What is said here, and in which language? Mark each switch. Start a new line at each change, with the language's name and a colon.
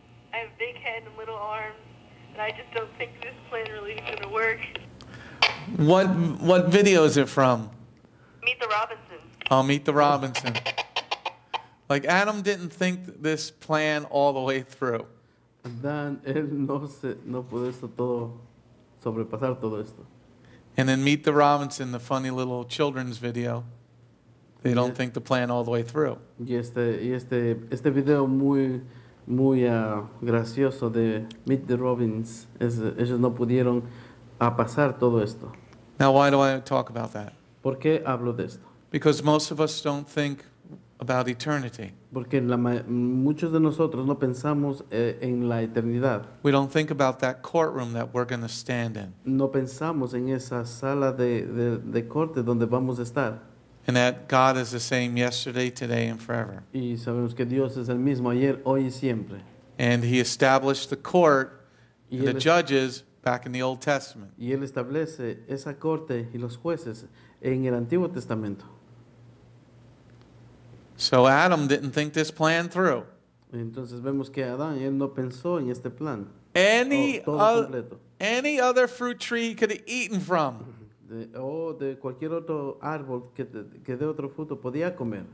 English: After that, he says, I have a big head and little arms, and I just don't think this plan really is gonna work. What video is it from? Meet the Robinson. Oh, Meet the Robinson. Like Adam didn't think this plan all the way through.
Spanish: Adán, él no pudo esto todo sobrepasar todo esto.
English: And then Meet the Robinson, the funny little children's video. They don't think the plan all the way through.
Spanish: Y este video muy muy gracioso de Meet the Robins, ellos no pudieron pasar todo esto.
English: Now, why do I talk about that?
Spanish: ¿Por qué hablo de esto?
English: Because most of us don't think about eternity.
Spanish: Porque muchos de nosotros no pensamos en la eternidad.
English: We don't think about that courtroom that we're going to stand in.
Spanish: No pensamos en esa sala de corte donde vamos a estar.
English: And that God is the same yesterday, today, and forever.
Spanish: Y sabemos que Dios es el mismo ayer, hoy y siempre.
English: And he established the court, the judges, back in the Old Testament.
Spanish: Y él establece esa corte y los jueces en el Antiguo Testamento.
English: So Adam didn't think this plan through.
Spanish: Entonces vemos que Adán, él no pensó en este plan.
English: Any other fruit tree he could have eaten from.
Spanish: De cualquier otro árbol que de otro fruto podía comer.